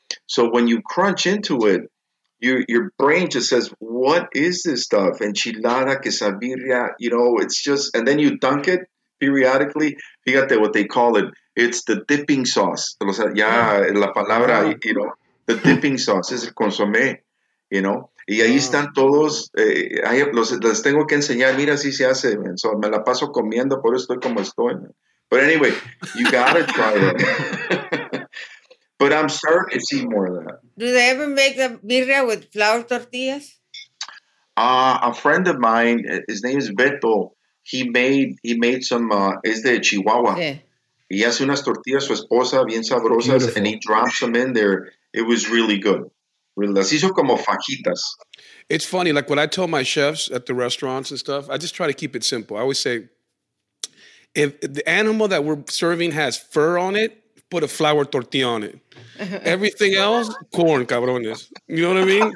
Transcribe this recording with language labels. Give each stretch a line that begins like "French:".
English: So when you crunch into it, your brain just says, what is this stuff? Enchilada, quesabirria, you know, it's just, and then you dunk it periodically.
Spanish: Fíjate
English: what they call it. It's the dipping sauce.
Spanish: La palabra,
English: you know, the dipping sauce is el consomé, you know.
Spanish: Y ahí están todos, les tengo que enseñar, mira si se hace,
English: man. So
Spanish: me la paso comiendo, por eso estoy como estoy.
English: Man. But anyway, you gotta try it. But I'm starting to see more of that. Do they ever make the birria with flour tortillas? A friend of mine, his name is Beto, he made some,
Spanish: es de Chihuahua.
English: Yeah.
Spanish: Y hace unas tortillas, su esposa, bien sabrosas,
English: beautiful. And he drops them in there. It was really good. It's funny, like what I tell my chefs at the restaurants and stuff, I just try to keep it simple. I always say, if the animal that we're serving has fur on it, put a flour tortilla on it. Everything else, corn, cabrones. You know what I mean?